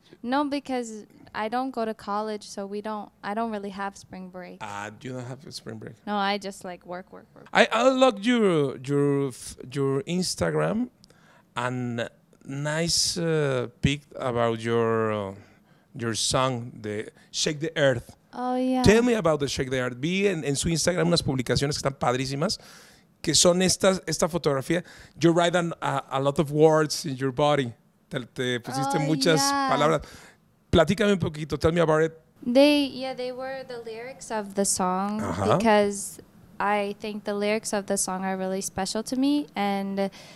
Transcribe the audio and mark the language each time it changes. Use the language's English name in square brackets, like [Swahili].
[English] No, because I don't go to college, so I don't really have spring break. Ah, you don't have a spring break? No, I just like work. I unlocked your Instagram. And nice pic about your song, the Shake the Earth. Oh, yeah. Tell me about the Shake the Earth. [Spanish] Vi en su Instagram unas publicaciones que están padrísimas, que son esta fotografía. [English] You write a lot of words in your body. [Spanish] Te pusiste muchas palabras. Platícame un poquito. [English] Tell me about it. They were the lyrics of the song. Uh-huh. Because I think the lyrics of the song are really special to me. And...